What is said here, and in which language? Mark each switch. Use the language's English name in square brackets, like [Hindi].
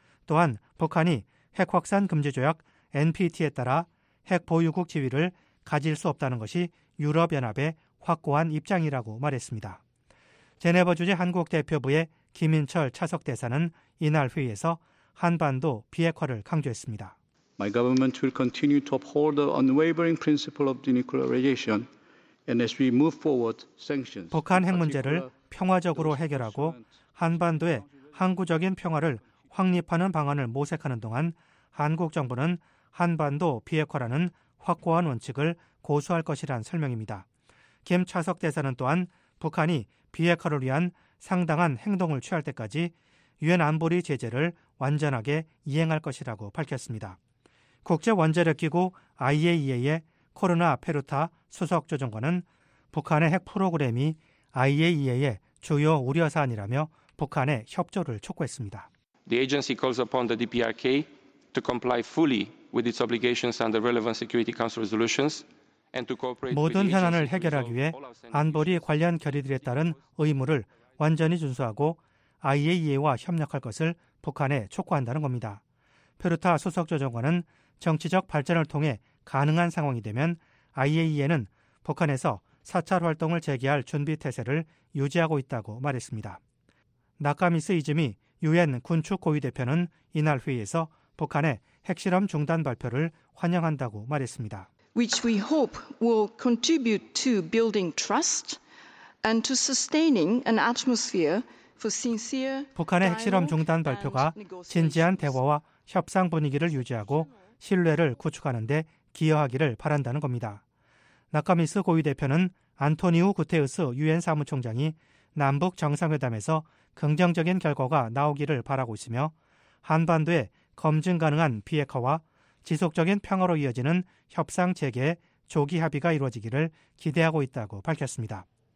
[Korean] 또한 북한이 핵확산 금지조약 NPT에 따라 핵 보유국 지위를 가질 수 없다는 것이 유럽연합의 확고한 입장이라고 말했습니다. 제네버 주재 한국 대표부의 김인철 차석 대사는 이날 회의에서 한반도 비핵화를 강조했습니다. [English] My government will continue to uphold the unwavering principle of denuclearization and as we move forward sanctions. [Korean] 북한 핵 문제를 평화적으로 해결하고 한반도의 항구적인 평화를 확립하는 방안을 모색하는 동안 한국 정부는 한반도 비핵화라는 확고한 원칙을 고수할 것이란 설명입니다. 김 차석 대사는 또한 북한이 비핵화를 위한 상당한 행동을 취할 때까지 유엔 안보리 제재를 완전하게 이행할 것이라고 밝혔습니다. 국제원자력기구 IAEA의 코르나 페루타 수석조정관은 북한의 핵 프로그램이 IAEA의 주요 우려 사안이라며 북한의 협조를 촉구했습니다. [English] The agency calls upon the DPRK to comply fully with its obligations under relevant Security Council resolutions and to cooperate. [Korean] 모든 현안을 해결하기 위해 안보리 관련 결의들에 따른 의무를 완전히 준수하고 IAEA와 협력할 것을 북한에 촉구한다는 겁니다. 페루타 수석조정관은 정치적 발전을 통해 가능한 상황이 되면 IAEA는 북한에서 사찰 활동을 재개할 준비 태세를 유지하고 있다고 말했습니다. 나카미스 이즈미 유엔 군축 고위 대표는 이날 회의에서 북한의 핵실험 중단 발표를 환영한다고 말했습니다. [English] Which we hope will contribute to building trust and to sustaining an atmosphere for sincere. [Korean] 북한의 핵실험 중단 발표가 진지한 대화와 협상 분위기를 유지하고 신뢰를 구축하는 데 기여하기를 바란다는 겁니다. 나카미스 고위 대표는 안토니우 구테우스 유엔 사무총장이 남북 정상회담에서 긍정적인 결과가 나오기를 바라고 있으며 한반도의 검증 가능한 비핵화와 지속적인 평화로 이어지는 협상 재개에 조기 합의가 이루어지기를 기대하고 있다고 밝혔습니다.